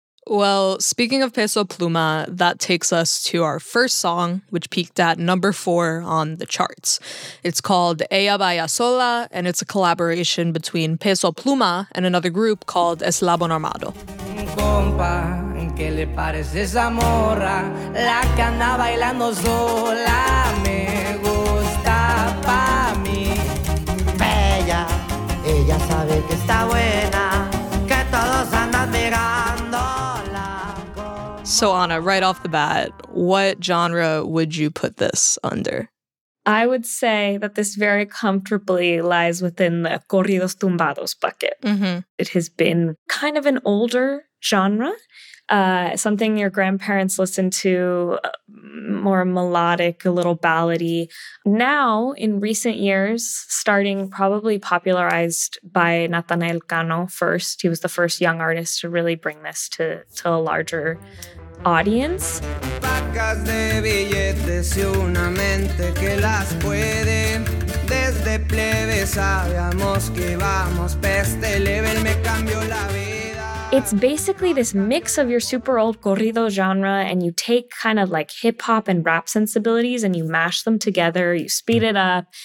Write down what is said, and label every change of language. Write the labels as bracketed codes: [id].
[en] Well, speaking of Peso Pluma, that takes us to our first song, which peaked at number 4 on the charts. It's called Ella Baila Sola, and it's a collaboration between Peso Pluma and another group called Eslabón Armado. [es] Compa. ¿Qué le parece esa morra? La que anda bailando sola me gusta pa' mí. Bella, ella sabe que está buena, que todos andan mirándola. [en] So Ana, right off the bat, what genre would you put this under? I would say that this very comfortably lies within the corridos tumbados bucket. Mm-hmm. It has been kind of an older genre. something your grandparents listened to, more melodic, a little ballady. Now, in recent years, starting probably popularized by Nathanael Cano first, he was the first young artist to really bring this to a larger audience. [es] Pacas de billetes y una mente que las puede. Desde plebe sabíamos que íbamos peste level, me cambió la vida. [en] It's basically this mix of your super old corrido genre, and you take kind of like hip hop and rap sensibilities and you mash them together, you speed it up.